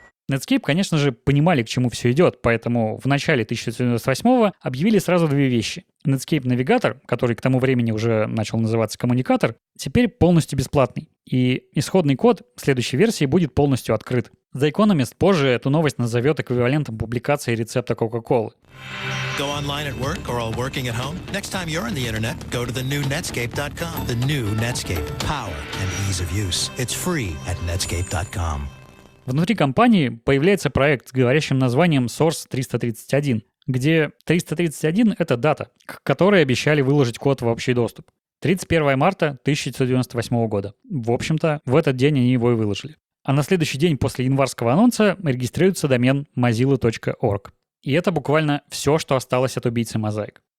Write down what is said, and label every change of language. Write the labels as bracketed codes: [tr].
[ru] Netscape, конечно же, понимали, к чему все идет, поэтому в начале 1998-го объявили сразу две вещи. Netscape Navigator, который к тому времени уже начал называться коммуникатор, теперь полностью бесплатный. И исходный код следующей версии будет полностью открыт. The Economist позже эту новость назовет эквивалентом публикации рецепта Кока-Колы. [en] Go online at work or all working at home. Next time you're on the internet, go to the new Netscape.com. The new Netscape. Power and ease of use. It's free at Netscape.com. [ru] Внутри компании появляется проект с говорящим названием Source 331, где 331 — это дата, к которой обещали выложить код в общий доступ. 31 марта 1998 года. В общем-то, в этот день они его и выложили. А на следующий день после январского анонса регистрируется домен mozilla.org. И это буквально все, что осталось от убийцы Mosaic.